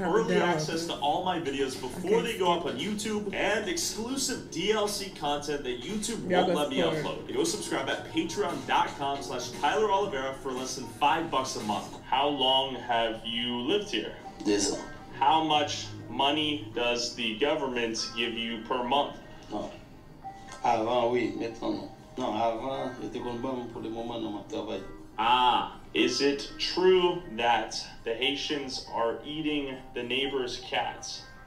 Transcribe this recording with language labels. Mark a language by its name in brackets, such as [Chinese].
[English] early access to all my videos before they go up on YouTube, and exclusive DLC content that YouTube won't let me upload, go subscribe at patreon.com/TylerOlivera for less than $5 a month. How long have you lived here? This. How much money does the government give you per month? [French] Avant, oui, maintenant non. Non, avant, j'étais bon, bon pour le moment, non, ma travail. [English] Ah, is it true that the Haitians are eating the neighbor's cats?